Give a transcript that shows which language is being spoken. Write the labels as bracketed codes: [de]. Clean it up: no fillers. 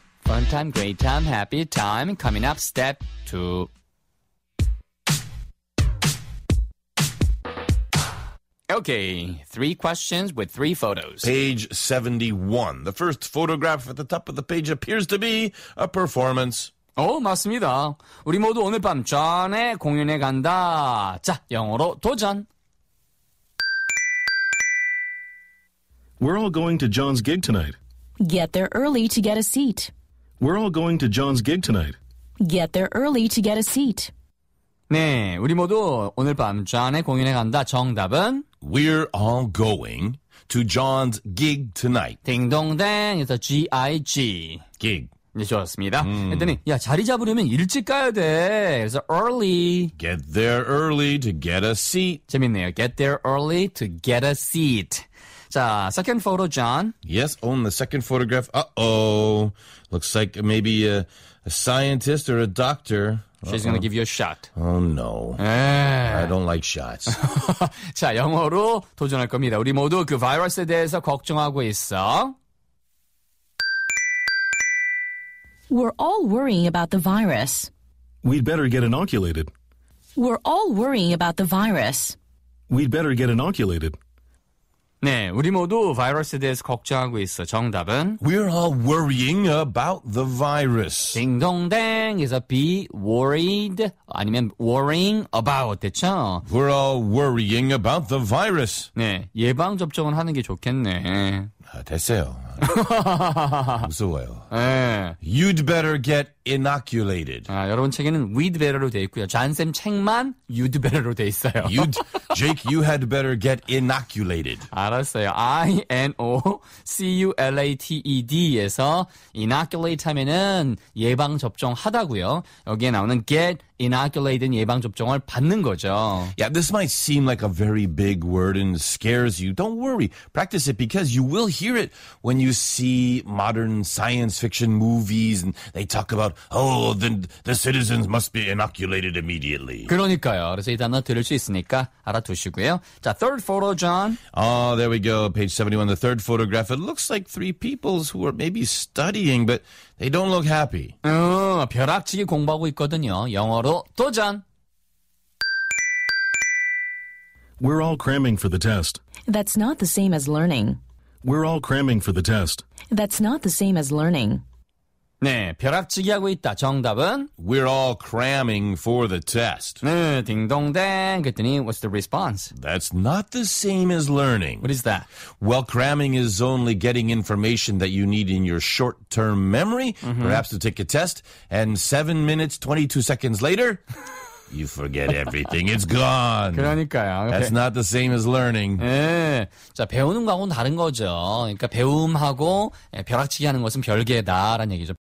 [en] Fun time, great time, happy time. Coming up, step two. [ko] 오케이, [en] three questions with three photos. Page 71. The first photograph at the top of the page appears to be a performance. [ko] 오, 맞습니다. 우리 모두 오늘 밤 존의 공연에 간다. 자, 영어로 도전. [en] We're all going to John's gig tonight. Get there early to get a seat. We're all going to John's gig tonight. Get there early to get a seat. [ko] 네, 우리 모두 오늘 밤 존의 공연에 간다. 정답은? [en] We're all going to John's gig tonight. [ko] 딩동댕, 여기서 G-I-G. [en] Gig. [ko] 네, 좋았습니다. 그랬더니, 야, 자리 잡으려면 일찍 가야 돼. 그래서 early. [en] Get there early to get a seat. [ko] 재밌네요. [en] Get there early to get a seat. 자, second photo, John. Yes, on the second photograph. Uh-oh. Looks like maybe a scientist or a doctor. She's going to give you a shot. Oh, no. I don't like shots. [ko] 자, 영어로 도전할 겁니다. 우리 모두 그 바이러스에 대해서 걱정하고 있어. [en] We're all worrying about the virus. We'd better get inoculated. We're all worrying about the virus. We'd better get inoculated. [ko] 네, 우리 모두 바이러스에 대해서 걱정하고 있어. 정답은 [en] We're all worrying about the virus. [ko] 딩동댕. 그래서 [en] be worried [ko] 아니면 [en] worrying about, [ko] 됐죠? [en] We're all worrying about the virus. [ko] 네, 예방접종을 하는 게 좋겠네. 아, 됐어요. 무서워요. 네. [en] You'd better get inoculated. [ko] 아, 여러분 책에는 [en] we'd better [ko] 로 되어 있고요. 잔쌤 책만 [en] you'd better [ko] 로 되어 있어요. [en] You'd, Jake, you had better get inoculated. [ko] 알았어요. I-N-O-C-U-L-A-T-E-D에서 inoculate 하면은 예방접종 하다고요. 여기에 나오는 [en] get inoculated [ko] 예방접종을 받는 거죠. [en] Yeah, this might seem like a very big word and scares you. Don't worry. Practice it because you will hear it when you see modern science fiction movies and they talk about, oh, then the citizens must be inoculated immediately. [ko] 그러니까요. 그래서 이 단어 들을 수 있으니까 알아두시고요. [en] 자, third photo, John. Oh, there we go. Page 71, the third photograph. It looks like three people who are maybe studying, but they don't look happy. [ko] 벼락치기 공부하고 있거든요. 영어로 도전. [en] We're all cramming for the test. That's not the same as learning. We're all cramming for the test. That's not the same as learning. [ko] 네, 벼락치기하고 있다. 정답은? [en] We're all cramming for the test. [ko] 네, 딩동댕. 그랬더니, [en] what's the response? That's not the same as learning. What is that? Well, cramming is only getting information that you need in your short-term memory, mm-hmm. perhaps to take a test, and 7 minutes, 22 seconds later... You forget everything. It's gone. [ko] 그러니까요. [en] That's not the same as learning. [ko] 예. 네. 자, 배우는 거하고는 다른 거죠. 그러니까 배움하고 벼락치기 하는 것은 별개다라는 얘기죠.